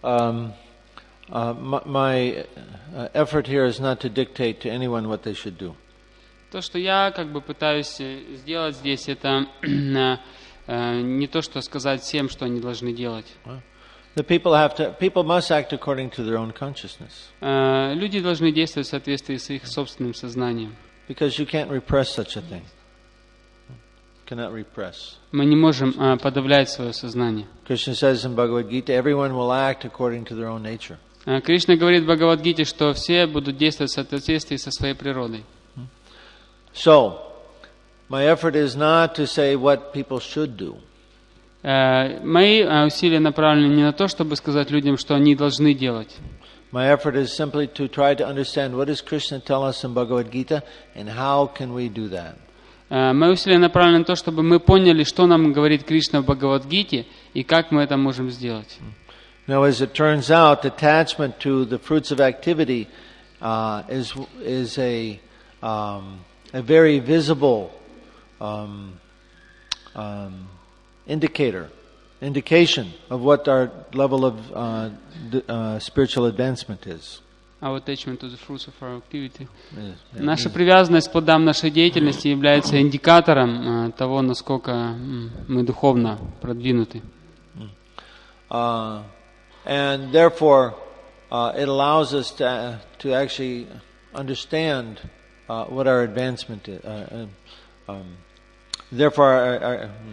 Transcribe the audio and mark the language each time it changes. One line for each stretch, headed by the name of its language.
English: My effort here is not to dictate to anyone what they should do.
Russian: То, что я как бы пытаюсь сделать здесь, это не то, что сказать всем, что они должны делать.
English: The people have to. People must act according to their own consciousness.
Russian: Люди должны действовать в соответствии с их собственным сознанием.
English: Because you can't repress such a thing. Cannot repress.
Russian: Мы не можем подавлять свое сознание.
English: Krishna says in Bhagavad Gita, everyone will act according to their own nature.
Russian: Кришна говорит в Бхагавад Гите, что все будут действовать в соответствии со своей природой.
English: So, my effort is not to say what people should do.
Russian: Мои усилия направлены не на то, чтобы сказать людям, что они должны делать.
English: My effort is simply to try to understand what does Krishna tell us in Bhagavad Gita and how can we do that.
Russian: Мои усилия направлены на то, чтобы мы поняли, что нам говорит Кришна в Бхагавад Гите и как мы это можем сделать.
English: Now, as it turns out, attachment to the fruits of activity is a very visible indication of what our level of spiritual advancement is. Our attachment to the fruits of our activity.
Russian: Наша привязанность к плодам нашей деятельности является индикатором того, насколько мы духовно продвинуты.
English: And therefore, it allows us to actually understand what our advancement is. Therefore,